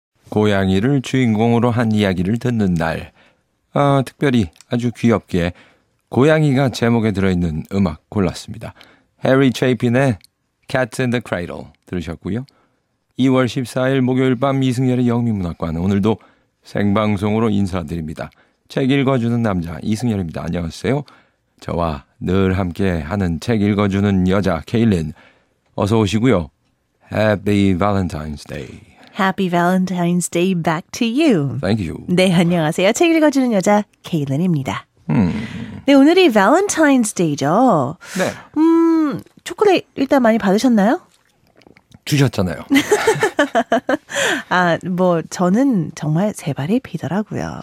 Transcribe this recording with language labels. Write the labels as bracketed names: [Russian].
[Korean] 고양이를 주인공으로 한 이야기를 듣는 날, 특별히 아주 귀엽게 고양이가 제목에 들어있는 음악 골랐습니다. 해리 체이핀의 Cats in the Cradle 들으셨고요. 2월 14일 목요일 밤 이승열의 영미문학관, 오늘도 생방송으로 인사드립니다. 책 읽어주는 남자 이승열입니다. 안녕하세요. 저와 늘 함께 하는 책 읽어주는 여자 케일린, 어서 오시고요. [English] Happy Valentine's Day. Happy Valentine's Day back to you. Thank you. [Korean] 네, 안녕하세요. 책 읽어주는 여자 케일린입니다. 네, 오늘이 Valentine's Day죠. 네. 초콜릿 일단 많이 받으셨나요? 주셨잖아요. 아, 뭐 저는 정말 세 발이 피더라고요.